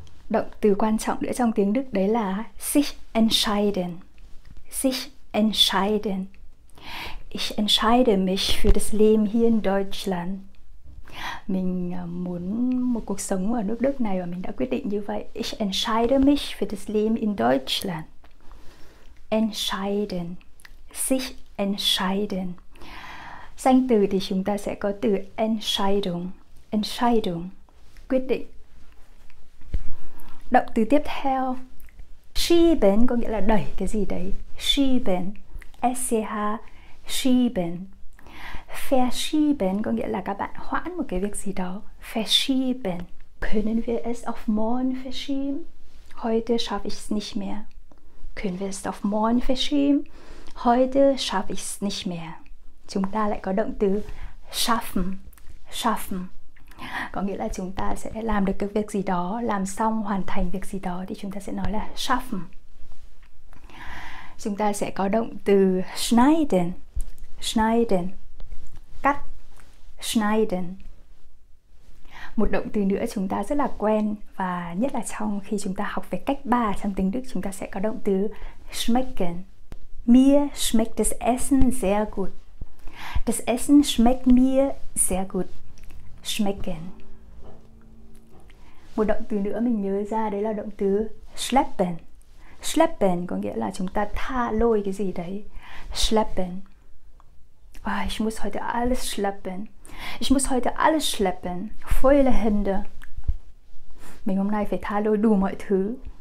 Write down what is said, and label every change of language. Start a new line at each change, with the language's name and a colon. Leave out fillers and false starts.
Vietnamese: Động từ quan trọng nữa trong tiếng Đức đấy là sich entscheiden.
German: Sich entscheiden. Ich entscheide mich für das Leben hier in Deutschland.
Vietnamese: Mình muốn một cuộc sống ở nước Đức này và mình đã quyết định như vậy.
German: Ich entscheide mich für das Leben in Deutschland. Entscheiden. Sich entscheiden.
Vietnamese: Danh từ thì chúng ta sẽ có từ Entscheidung. Entscheidung. Quyết định. Động từ tiếp theo. Schieben có nghĩa là đẩy cái gì đấy. Schieben. S-C-H. Schieben. Verschieben có nghĩa là các bạn hoãn một cái việc gì đó.
German: Verschieben. Können wir es auf morgen verschieben? Heute schaffe ich es nicht mehr. Können wir es auf morgen verschieben? Heute schaffe ich es nicht mehr.
Vietnamese: Chúng ta lại có động từ schaffen. Schaffen. Có nghĩa là chúng ta sẽ làm được cái việc gì đó, làm xong, hoàn thành việc gì đó thì chúng ta sẽ nói là schaffen. Chúng ta sẽ có động từ schneiden. Schneiden. Cắt. Schneiden. Một động từ nữa chúng ta rất là quen, và nhất là trong khi chúng ta học về cách ba trong tiếng Đức, chúng ta sẽ có động từ schmecken.
German: Mir schmeckt das Essen sehr gut. Das Essen schmeckt mir sehr gut. Schmecken.
Vietnamese: Một động từ nữa mình nhớ ra đấy là động từ schleppen. Schleppen có nghĩa là chúng ta tha lôi cái gì đấy.
German: Schleppen. Ich muss heute alles schleppen. Ich muss heute alles schleppen. Viele Hände.
Vietnamese: Mình hôm nay phải tha lôi đủ mọi thứ.